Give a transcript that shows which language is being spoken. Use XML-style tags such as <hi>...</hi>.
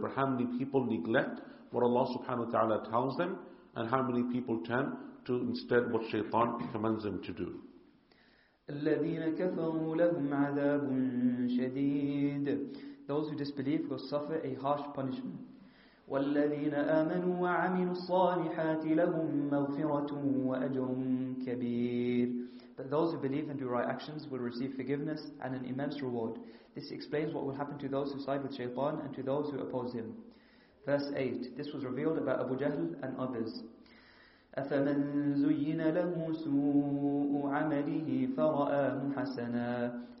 <en>But how many people neglect what Allah subhanahu wa ta'ala tells them? And how many people turn to instead what shaitan commands them to do?</en> <ar>الَّذِينَ كَفَرُوا لَهُمْ عَذَابٌ شَدِيدٌ</ar> <en>Those who disbelieve will suffer a harsh punishment.</en> <ar>والذين آمنوا وعملوا الصالحات لهم مغفرة وأجر كبير.</ar> <en>But those who believe and do right actions will receive forgiveness and an immense reward. This explains what will happen to those who side with Shaytan and to those who oppose him. Verse 8. This was revealed about Abu Jahl and others.</en> <ar>أَفَمَنْ زُيِّنَ لَهُ سُوءُ عَمَلِهِ فَرَآهُ حَسَنًا</ar>